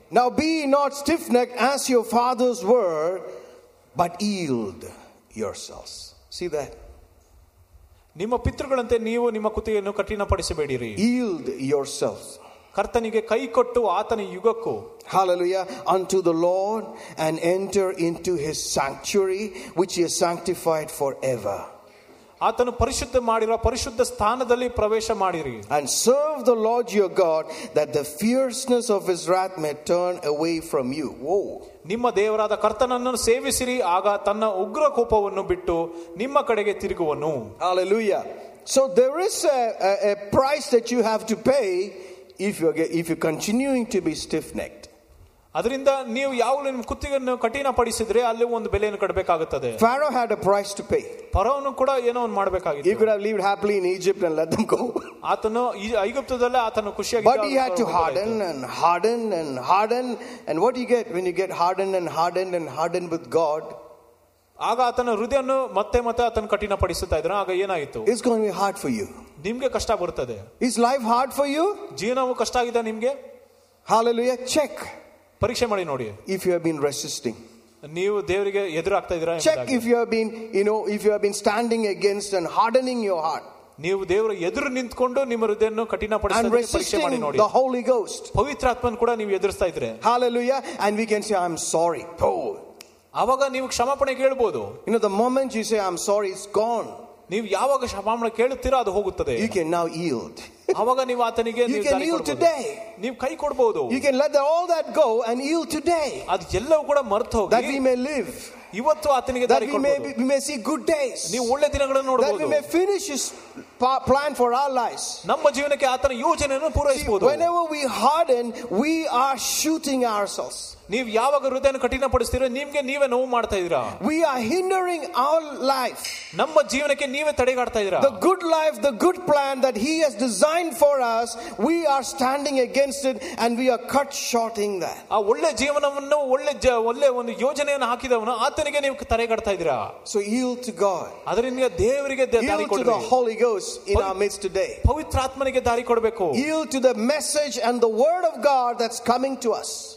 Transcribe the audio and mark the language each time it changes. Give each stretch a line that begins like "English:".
English: Now be not stiff-necked as your fathers were, but yield yourselves. See that?
Kannada: ನಿಮ್ಮ ಪಿತೃಗಳಂತೆ ನೀವು ನಿಮ್ಮ ಕುತ್ತಿಗೆಯನ್ನು ಕಠಿಣಪಡಿಸಬೇಡಿರಿ.
English: Yield yourselves.
Kannada: ಕರ್ತನಿಗೆ ಕೈಕೊಟ್ಟು ಆತನ ಯುಗಕ್ಕೂ.
English: Hallelujah. Unto the Lord and enter into his sanctuary which he has sanctified forever.
Kannada: ಆತನು ಪರಿಶುದ್ಧ ಮಾಡಿರುವ ಪರಿಶುದ್ಧ ಸ್ಥಾನದಲ್ಲಿ ಪ್ರವೇಶ ಮಾಡಿರಿ.
English: And serve the Lord your God that the fierceness of his wrath may turn away from you. Whoa.
Kannada: ನಿಮ್ಮ ದೇವರಾದ ಕರ್ತನನ್ನು ಸೇವಿಸಿರಿ ಆಗ ತನ್ನ ಉಗ್ರ ಕೋಪವನ್ನು ಬಿಟ್ಟು ನಿಮ್ಮ ಕಡೆಗೆ ತಿರುಗುವನು.
English: Hallelujah. So there is a price that you have to pay if you're continuing to be stiff-necked.
Kannada: ಅದರಿಂದ ನೀವು ಯಾವಾಗಲೂ ನಿಮ್ಮ ಕುತ್ತಿಗೆಯನ್ನು ಕಠಿಣಪಡಿಸಿದ್ರೆ ಅಲ್ಲಿ ಒಂದು ಬೆಲೆಯನ್ನು ಕಟ್ಟಬೇಕಾಗುತ್ತದೆ.
English: Pharaoh had a price to pay.
Kannada: ಫರೋನು ಕೂಡ ಏನೋ ಒಂದು ಮಾಡಬೇಕಾಗಿತ್ತು.
English: He could have lived happily in Egypt and let them go.
Kannada: ಆತನು ಐಗುಪ್ತದಲ್ಲೇ ಆತನು ಖುಷಿಯಾಗಿ.
English: But he had to harden and harden and harden. And what do you get when you get hardened and hardened and hardened with God?
Kannada: ಆಗ ಆತನ ಹೃದಯವನ್ನು ಮತ್ತೆ ಮತ್ತೆ ಆತನ ಕಠಿಣಪಡಿಸುತ್ತಾ ಇದ್ರು. ಆಗ ಏನಾಯಿತು?
English: It's going to be hard for you.
Kannada: ನಿಮಗೆ ಕಷ್ಟ ಬರುತ್ತದೆ.
English: Is life hard for you?
Kannada: ಜೀವನವು ಕಷ್ಟ ಆಗಿದೆ ನಿಮಗೆ?
English: Hallelujah. Check.
Kannada: ಪರೀಕ್ಷೆ ಮಾಡಿ ನೋಡಿ.
English: If you have been resisting,
Kannada: ನೀವು ದೇವರಿಗೆ ಎದುರಾಗ್ತಾ ಇದ್ರಾ?
English: Check if you have been, if you have been standing against and hardening your heart.
Kannada: ನೀವು ದೇವರ ಎದುರು ನಿಂತ್ಕೊಂಡು ನಿಮ್ಮ ಹೃದಯವನ್ನು ಕಠಿಣಪಡಿಸಿದ್ರೆ ಪರೀಕ್ಷೆ ಮಾಡಿ ನೋಡಿ.
English: The Holy Ghost,
Kannada: ಪವಿತ್ರಾತ್ಮನ ಕೂಡ ನೀವು ಎದುರಿಸ್ತಾ ಇದ್ರೆ.
English: Hallelujah. And we can say, I'm sorry.
Kannada: ಅವಾಗ ನೀವು ಕ್ಷಮಾಪಣೆ ಕೇಳಬಹುದು.
English: You know, the moment you say I'm sorry, it's gone.
Kannada: ನೀವು ಯಾವಾಗ ಕ್ಷಮಾಪಣೆ ಕೇಳುತ್ತೀರೋ ಅದು ಹೋಗುತ್ತದೆ.
English: You can now yield.
Kannada: ಅವಾಗ ನೀವು ಆತನಿಗೆ ನೀವು ಕೈ ಕೊಡಬಹುದು.
English: You can let all that go and yield today.
Kannada: ಅದು ಎಲ್ಲವೂ ಕೂಡ ಮರೆತು ಹೋಗಿ.
English: That we may live.
Kannada: ಇವತ್ತು ಆತನಿಗೆ ದಾರಿ ಕೊಡಬಹುದು.
English: That we may see good days.
Kannada: ನೀವು ಒಳ್ಳೆ ದಿನಗಳನ್ನು ನೋಡಬಹುದು.
English: That we may finish his plan for our lives.
Kannada: ನಮ್ಮ ಜೀವನಕ್ಕೆ ಆತನ ಯೋಜನೆಯನ್ನು ಪೂರೈಸಬಹುದು.
English: Whenever we harden, we are shooting ourselves.
Kannada: ನೀವು ಯಾವಾಗ ಹೃದಯನ ಕಠಿಣಪಡಿಸ್ತೀರೋ ನಿಮ್ಗೆ ನೀವೇ ನೋವು ಮಾಡ್ತಾ ಇದ್ದೀರಾ.
English: We are hindering our life.
Kannada: ನಮ್ಮ ಜೀವನಕ್ಕೆ ನೀವೇ ತಡೆಗಾಡ್ತಾ ಇದ್ದೀರಾ.
English: The good life, the good plan that he has designed for us, we are standing against it and we are cut shorting that.
Kannada: ಆ ಒಳ್ಳೆ ಜೀವನವನ್ನು ಒಳ್ಳೆ ಒಂದು ಯೋಜನೆಯನ್ನು ಹಾಕಿದವನು ಆತನಿಗೆ ನೀವು ತಡೆಗಾಡ್ತಾ ಇದ್ದೀರಾ.
English: So yield to God.
Kannada: ಅದರಿಂದ ದೇವರಿಗೆ ದಾರಿ ಕೊಡಿ.
English: Yield to the Holy Ghost in our midst today.
Kannada: ಪವಿತ್ರಾತ್ಮನಿಗೆ ದಾರಿ ಕೊಡಬೇಕು.
English: Yield to the message and the word of God that's coming to us.